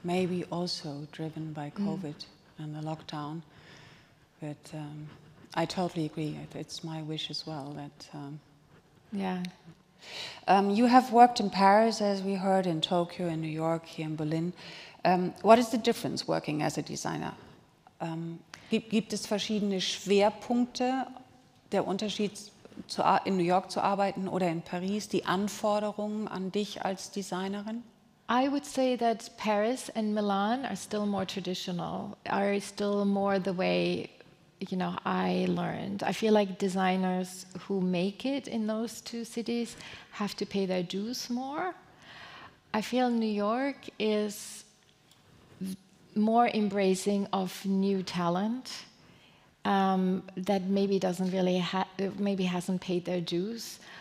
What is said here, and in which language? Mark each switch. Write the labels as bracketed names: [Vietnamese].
[English] maybe also driven by COVID and the lockdown. But I totally agree. It's my wish as well that... you have worked in Paris, as we heard, in Tokyo, in New York, here in Berlin. What is the difference working as a designer? [German] Gibt es verschiedene Schwerpunkte, der Unterschied in New York zu arbeiten oder in Paris, die Anforderungen an dich als Designerin? [English] I would say that Paris and Milan are still more traditional, are still more the way, you know, I learned. I feel like designers who make it in those two cities have to pay their dues more. I feel New York is more embracing of new talent that maybe hasn't paid their dues,